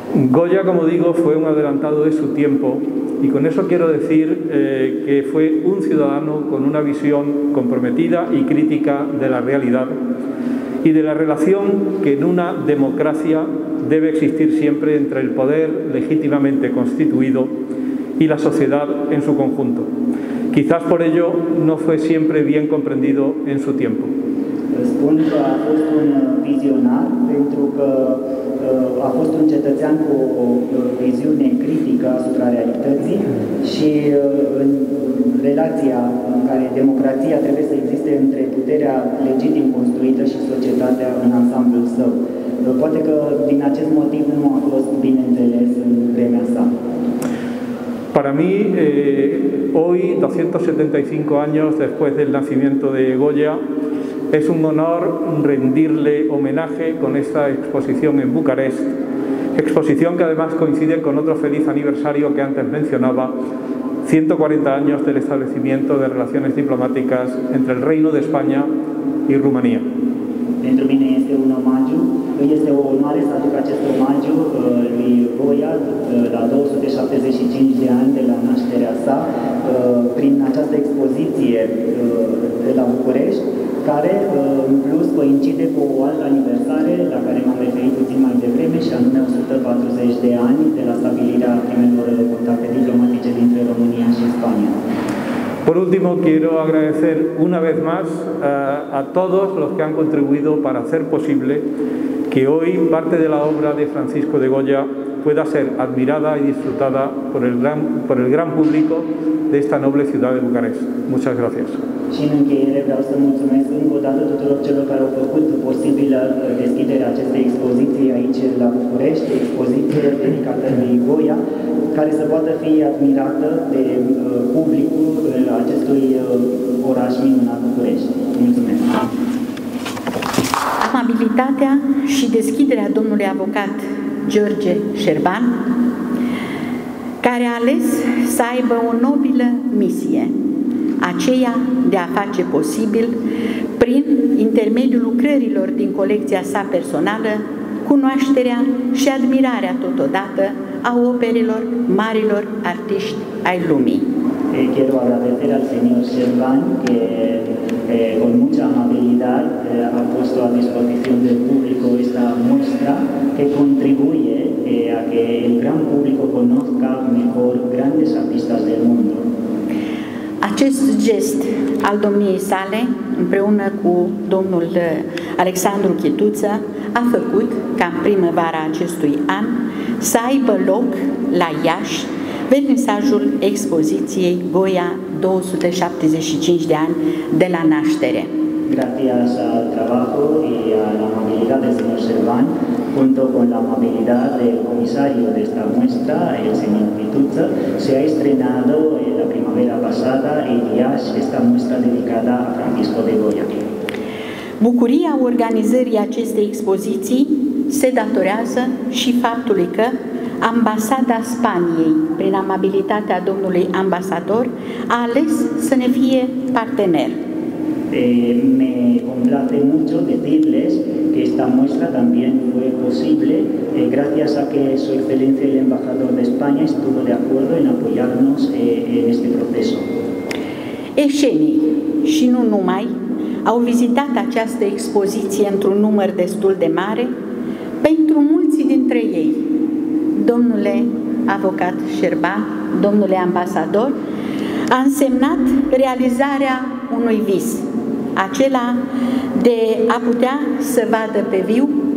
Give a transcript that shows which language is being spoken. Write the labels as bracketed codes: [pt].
[es] Goya, como digo, fue un adelantado de su tiempo y con eso quiero decir que fue un ciudadano con una visión comprometida y crítica de la realidad y de la relación que en una democracia debe existir siempre entre el poder legítimamente constituido y la sociedad en su conjunto. Quizás por ello no fue siempre bien comprendido en su tiempo. [ro] Spun că a fost un vizionar pentru că a fost un cetățean cu o viziune critică asupra realității și în relația în care democrația trebuie să existe între puterea legitim construită și societatea în ansamblul său. Poate că din acest motiv nu a fost bine înțeles în vremea sa. [es] Para mí, hoy, 275 años después del nacimiento de Goya, es un honor rendirle homenaje con esta exposición en Bucarest, exposición que además coincide con otro feliz aniversario que antes mencionaba, 140 años del establecimiento de relaciones diplomáticas entre el Reino de España y Rumanía. [ro] Pentru mine este un omagiu, este o onoare să aduc acest omagiu lui Goya la 275 de ani de la nașterea sa prin această expoziție de la București, care în plus coincide cu o altă aniversare la care m-am referit puțin mai devreme și anume 140 de ani de la stabilirea primelor contacte diplomatice dintre România și Spania. [es] Por último, quiero agradecer una vez más a todos los que han contribuido para hacer posible que hoy parte de la obra de Francisco de Goya pueda ser admirada y disfrutada por el gran público de esta noble ciudad de Bucarest. Muchas gracias. [ro] Și în încheiere vreau să mulțumesc încă o dată tuturor celor care au făcut posibilă deschiderea acestei expoziții aici la București, expoziție dedicată lui Goya, care să poată fi admirată de publicul acestui oraș minunat București. Mulțumesc! Amabilitatea și deschiderea domnului avocat George Șerban, care a ales să aibă o nobilă misie, aceea de a face posibil, prin intermediul lucrărilor din colecția sa personală, cunoașterea și admirarea totodată a operelor marilor artiști ai lumii. [es] Quiero agradecer al señor Serván que con mucha amabilidad ha puesto a disposición del público esta muestra que contribuye a que el gran público conozca mejor grandes artistas del mundo. [ro] Acest gest al domniei sale, împreună cu domnul Alexandru Chituță, a făcut ca în primăvara acestui an să aibă loc la Iași vernisajul expoziției Goya 275 de ani de la naștere. [es] Gracias al trabajo y a la amabilidad del señor Serván, junto con la amabilidad del comisario de esta muestra, el señor Pituzza, se ha estrenado en la primavera pasada en IAS esta muestra dedicada a Francisco de Goya. [ro] Bucuria organizării acestei expoziții se datorează și faptului că Ambasada Spaniei, prin amabilitatea domnului ambasador, a ales să ne fie partener. [es] Me complace mucho decirles que esta muestra también fue posible gracias a que Su Excelencia el Embajador de España estuvo de acuerdo en apoyarnos en este proceso. [ro] Eșenii, și nu numai, au vizitat această expoziție într-un număr destul de mare. Pentru mulți dintre ei, domnule avocat Șerban, domnule ambasador, a însemnat realizarea unui vis, acela de a putea să vadă pe viu